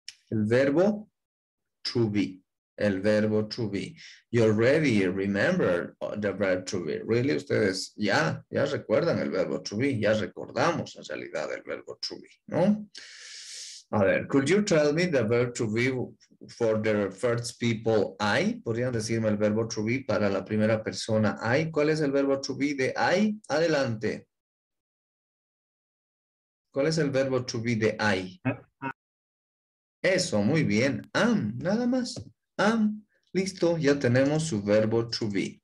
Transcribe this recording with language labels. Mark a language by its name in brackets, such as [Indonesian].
[Spanish] El verbo to be. El verbo to be. [English] You already remember the verb to be. Really, [Spanish] ustedes ya recuerdan el verbo to be. Ya recordamos en realidad el verbo to be, ¿no? A ver, [English] could you tell me the verb to be for the first people I? [Spanish] ¿Podrían decirme el verbo to be para la primera persona I? ¿Cuál es el verbo to be de I? Adelante. ¿Cuál es el verbo to be de I? Eso, muy bien. Nada más. Listo, ya tenemos su verbo to be.